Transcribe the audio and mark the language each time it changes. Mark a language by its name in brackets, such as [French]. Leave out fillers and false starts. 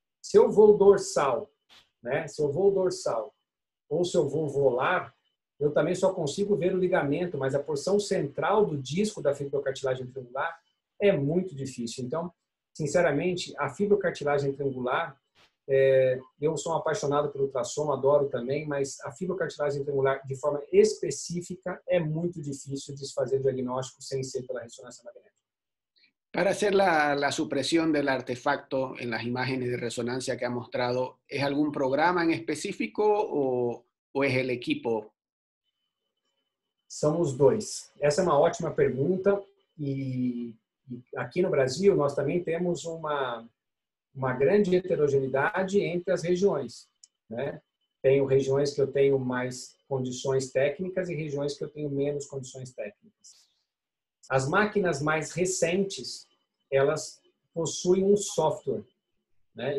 [Portuguese] Se eu vou dorsal, né? Se eu vou dorsal ou se eu vou volar, eu também só consigo ver o ligamento, mas a porção central do disco da fibrocartilagem triangular é muito difícil. Então, sinceramente, a fibrocartilagem triangular, eu sou um apaixonado pelo ultrassom, adoro também, mas a fibrocartilagem triangular, de forma específica, é muito difícil de se fazer diagnóstico sem ser pela ressonância magnética. [Spanish] Para hacer la supresión del artefacto en las imágenes de resonancia que ha mostrado, ¿es algún programa en específico o es el equipo? Son los dos. Esa es una ótima pregunta. Y aquí en Brasil, [Portuguese] nós [Spanish] también tenemos [Portuguese] uma grande heterogeneidade entre as regiões, né? Tenho regiões que eu tenho mais condições técnicas e regiões que eu tenho menos condições técnicas. As máquinas mais recentes, elas possuem um software, né?